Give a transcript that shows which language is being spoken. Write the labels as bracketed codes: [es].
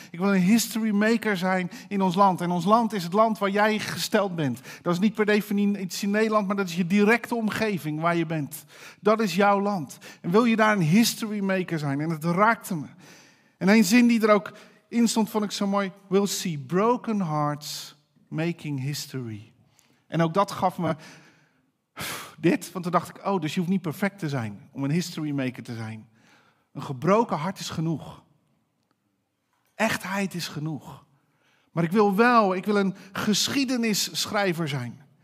[nl] Ik wil een history maker zijn in ons land. En ons land is het land waar jij gesteld bent. Dat is niet per definitie iets in Nederland, maar dat is je directe omgeving waar je bent. Dat is jouw land. En wil je daar een history maker zijn? En het raakte me. En een zin die er ook in stond, vond ik zo mooi. [en] We'll see broken hearts making history. [nl] En ook dat gaf me dit, want toen dacht ik, oh, dus je hoeft niet perfect te zijn om een history maker te zijn. Een gebroken hart is genoeg. Echtheid is genoeg. Maar ik wil een geschiedenisschrijver zijn.